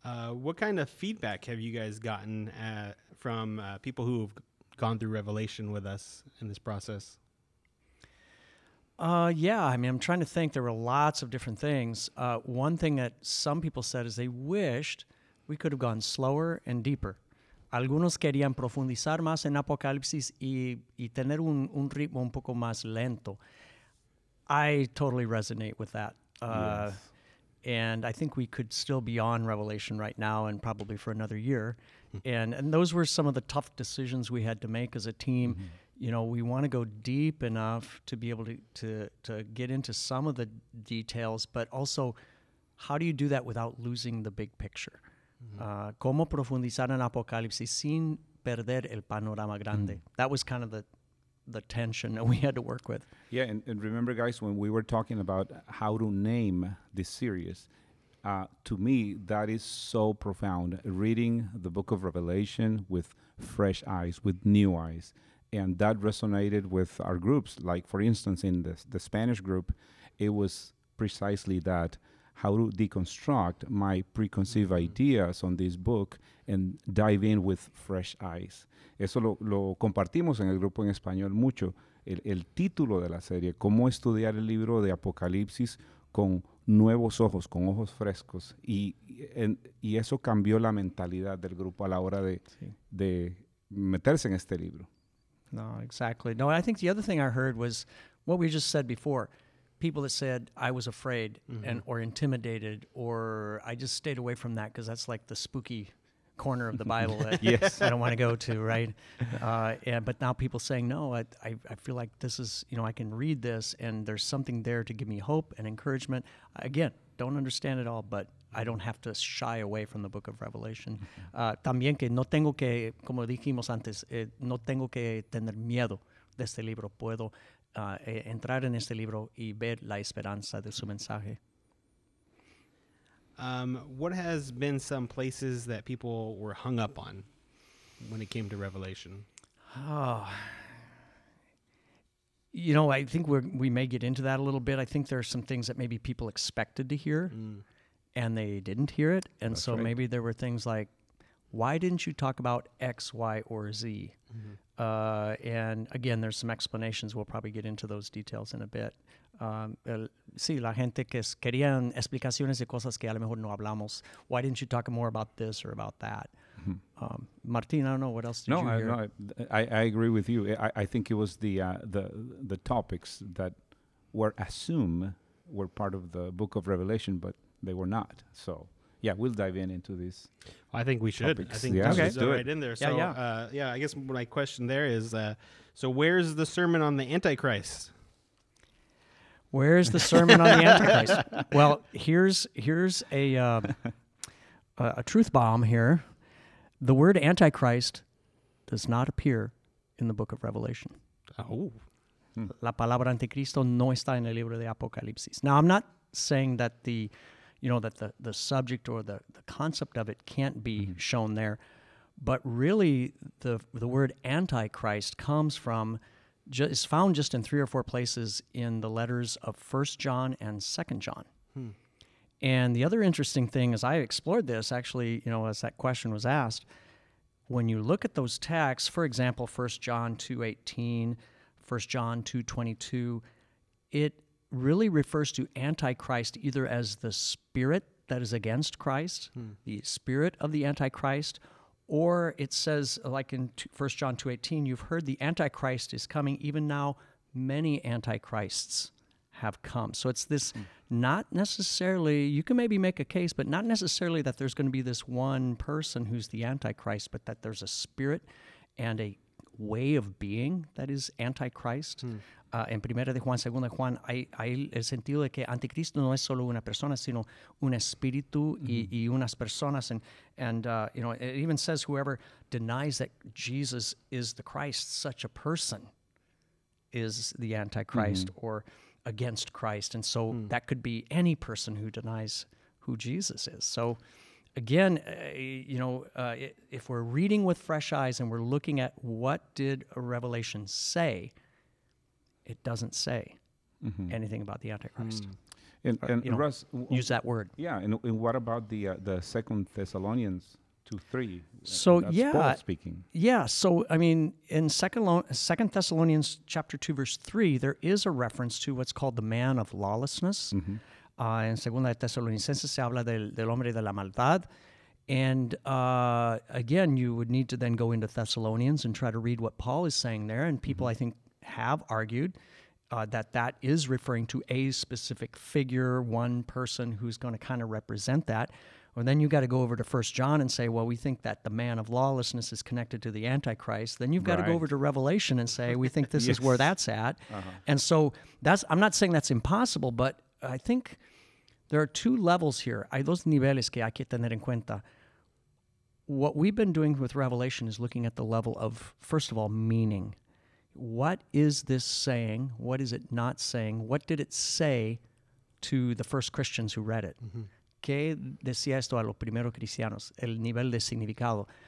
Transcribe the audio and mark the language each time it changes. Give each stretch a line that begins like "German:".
English: What kind of feedback have you guys gotten from people who have gone through Revelation with us in this process? I mean, I'm trying to think. There were lots of different things. One thing that some people said is they wished we could have gone slower and deeper.
Spanish: Algunos querían profundizar más en Apocalipsis y tener un ritmo un poco más lento.
English: I totally resonate with that. Yes. And I think we could still be on Revelation right now and probably for another year. And those were some of the tough decisions we had to make as a team. Mm-hmm. You know, we want to go deep enough to be able to get into some of the details, but also how do you do that without losing the big picture?
Spanish: Cómo profundizar en Apocalipsis sin perder el panorama grande. Mm.
English: That was kind of the tension that we had to work with. Yeah, and remember, guys, when we were talking about how to name this series, to me, that is so profound. Reading the book of Revelation with fresh eyes, with new eyes. And that resonated with our groups. Like, for instance, in the Spanish group, it was precisely that. How to deconstruct my preconceived mm-hmm. ideas on this book and dive in with fresh eyes.
Spanish: Eso lo compartimos en el grupo en español mucho. El título de la serie, cómo estudiar el libro de Apocalipsis con nuevos ojos, con ojos frescos. Y eso cambió la mentalidad del grupo a la hora de meterse en este libro.
English: No, exactly. No, I think the other thing I heard was what we just said before. People that said I was afraid mm-hmm. and or intimidated or I just stayed away from that because that's like the spooky corner of the Bible that yes. I don't want to go to, right? But now people saying, no, I feel like this is, you know, I can read this and there's something there to give me hope and encouragement. Again, don't understand it all, but I don't have to shy away from the book of Revelation.
Spanish: También que no tengo que, como dijimos antes, no tengo que tener miedo de este libro. Puedo entrar en este libro y ver la esperanza de su mensaje.
English: What has been some places that people were hung up on when it came to Revelation? Oh, you know, I think we may get into that a little bit. I think there are some things that maybe people expected to hear, and they didn't hear it. And that's so right. Maybe there were things like, why didn't you talk about X, Y, or Z? Mm-hmm. And again, there's some explanations. We'll probably get into those details in a bit.
Spanish: Sí, la gente que querían explicaciones de cosas que a lo mejor no hablamos.
English: Why didn't you talk more about this or about that? Martin, I don't know, what else did no, you hear? No, I agree with you. I think it was the topics that were assumed were part of the book of Revelation, but they were not. So, yeah, we'll dive in into these topics. I think we should. Topics. I think yeah. Okay. Do it. Right in there. So, I guess my question there is, so where's the sermon on the Antichrist? Where's the sermon on the Antichrist? Well, here's a truth bomb here. The word Antichrist does not appear in the book of Revelation. Oh.
Spanish: La palabra Anticristo no está en el libro de Apocalipsis.
English: Now, I'm not saying that the subject or the concept of it can't be shown there, but really the word Antichrist comes from is found just in three or four places in the letters of 1 John and 2 John. Hmm. And the other interesting thing, as I explored this, actually, you know, as that question was asked, when you look at those texts, for example, 1 John 2:18, 1 John 2:22, it really refers to Antichrist either as the spirit that is against Christ, the spirit of the Antichrist, or it says, like in 1 John 2:18, you've heard the Antichrist is coming. Even now, many Antichrists have come. So it's this not necessarily, you can maybe make a case, but not necessarily that there's going to be this one person who's the Antichrist, but that there's a spirit and a way of being that is Antichrist.
Spanish: En Primera de Juan, Segunda de Juan, hay el sentido de que Anticristo no es solo una persona, sino un espíritu y unas personas.
English: And it even says whoever denies that Jesus is the Christ, such a person is the Antichrist or against Christ. And so that could be any person who denies who Jesus is. So again, if we're reading with fresh eyes and we're looking at what did Revelation say, it doesn't say anything about the Antichrist. Russ, use that word. Yeah, and what about the Second Thessalonians 2:3? So Paul speaking. Yeah, so I mean, in Second Thessalonians chapter 2 verse 3, there is a reference to what's called the man of lawlessness.
Spanish: En Segunda de Tesalonicenses se habla del hombre de la maldad.
English: And again, you would need to then go into Thessalonians and try to read what Paul is saying there. And people, I think, have argued that is referring to a specific figure, one person who's going to kind of represent that. And then you've got to go over to 1 John and say, well, we think that the man of lawlessness is connected to the Antichrist. Then you've got to go over to Revelation and say, we think this is where that's at. And so I'm not saying that's impossible, but I think there are two levels here.
Spanish: Hay dos niveles que hay que tener en cuenta.
English: What we've been doing with Revelation is looking at the level of, first of all, meaning. What is this saying? What is it not saying? What did it say to the first Christians who read it?
Spanish: ¿Qué decía esto a los primeros cristianos? El nivel de significado.